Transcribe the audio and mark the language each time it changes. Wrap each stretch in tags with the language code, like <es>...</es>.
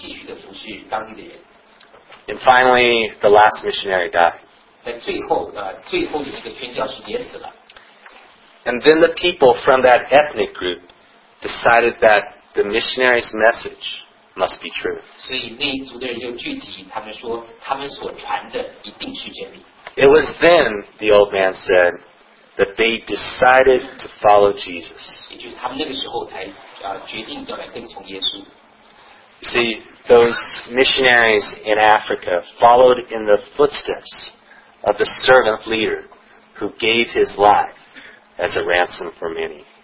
<zh>但即使在这个团队里面有许多的人陆续将死去，但剩下的人还是继续的服侍当地的人。</zh> <en>And finally, the last missionary died.</en> <zh>在最后的一个宣教士也死了。</zh> <en>And then the people from that ethnic group decided that the missionary's message must be true.</en> <zh>所以那一族的人又聚集，他们说他们所传的一定是真理。</zh> <en>It was then, the old man said, that they decided to follow Jesus.</en> <zh>也就是他们那个时候才决定要来跟从耶稣。</zh> <en>See, those missionaries in Africa followed in the footsteps of the servant leader who gave his life as a ransom for many.</en>